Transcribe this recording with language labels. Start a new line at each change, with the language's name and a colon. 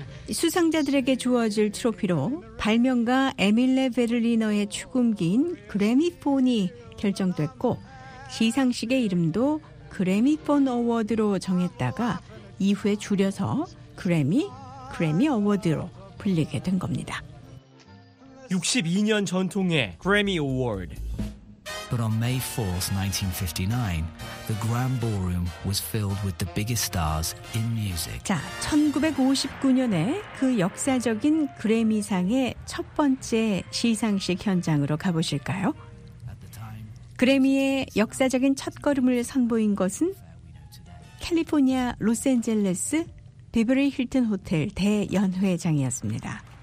Korean: 수상자들에게 주어질 트로피로 발명가 에밀레 베를리너의 축음기인 그래미폰이 결정됐고 시상식의 이름도 그래미폰 어워드로 정했다가 이후에 줄여서 그래미 어워드로 불리게 된 겁니다. 62년 전통의 그래미 어워드.
English: But on May 4th, 1959, the Grand Ballroom was filled with the biggest stars in music.
Korean: 자, 1959년에 그 역사적인 그래미상의 첫 번째 시상식 현장으로 가보실까요? 그래미의 역사적인 첫 걸음을 선보인 것은 캘리포니아 로스앤젤레스 비버리 힐튼 호텔 대연회장이었습니다.